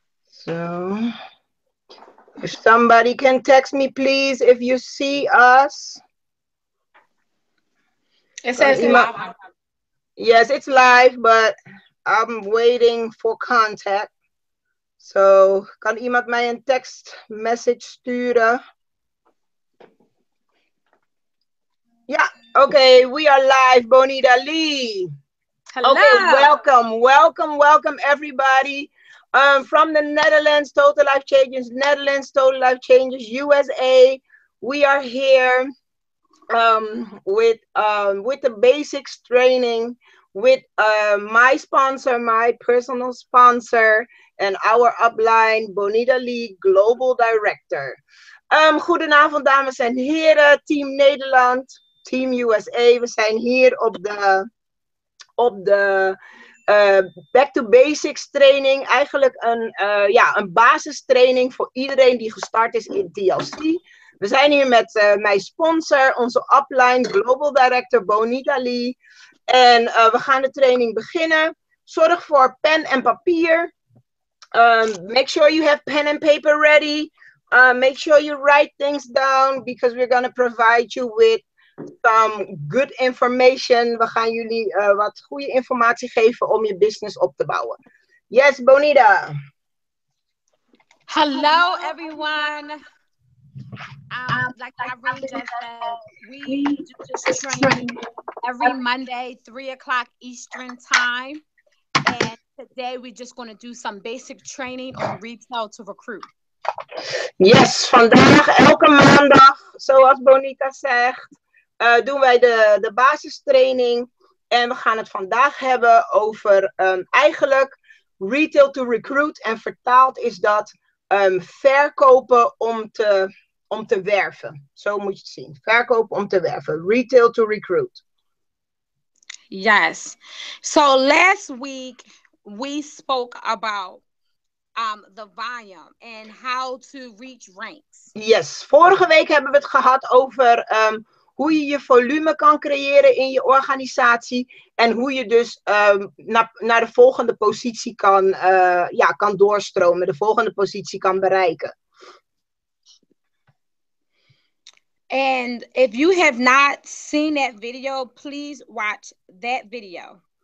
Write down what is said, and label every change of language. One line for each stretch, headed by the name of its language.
English: So if somebody can text me, please, if you see us. It says live. Yes, it's live, but I'm waiting for contact.
Dutch: So, kan iemand mij een text message sturen?
English: Yeah, okay, we are live, Bonita Lee. Hello. Okay, welcome, welcome, welcome, everybody. From the Netherlands, Total Life Changes, Netherlands, Total Life Changes, USA. We are here with the basics training with my sponsor, my personal sponsor, and our upline, Bonita Lee, Global Director.
Dutch: Goedenavond, dames en heren, Team Nederland, Team USA. We zijn hier op de...
English: back to basics training,
Dutch: eigenlijk een basistraining voor iedereen die gestart is in TLC. We zijn hier met mijn sponsor, onze upline, Global Director Bonita Lee. En we gaan de training beginnen. Zorg voor pen en papier.
English: Make sure you have pen and paper ready. Make sure you write things down, because we're going to provide you with some good information.
Dutch: We gaan jullie wat goede informatie geven om je business op te bouwen.
English: Yes, Bonita. Hello, everyone. Like I really just said, we do this training every Monday, 3 o'clock Eastern time. And today we're just going to do some basic training on retail to recruit.
Dutch: Yes, vandaag, elke maandag, zoals Bonita zegt. Doen wij de basistraining en we gaan het vandaag hebben over eigenlijk
English: retail to recruit.
Dutch: En vertaald is dat verkopen om te werven. Zo moet je het zien. Verkopen om te werven.
English: Retail to recruit. Yes. So last week we spoke about the volume and how to reach ranks. Yes.
Dutch: Vorige week hebben we het gehad over hoe je je volume kan creëren in je organisatie en hoe je dus naar de volgende positie kan doorstromen, de volgende positie kan bereiken.
English: And if you have not seen that video, please watch that video.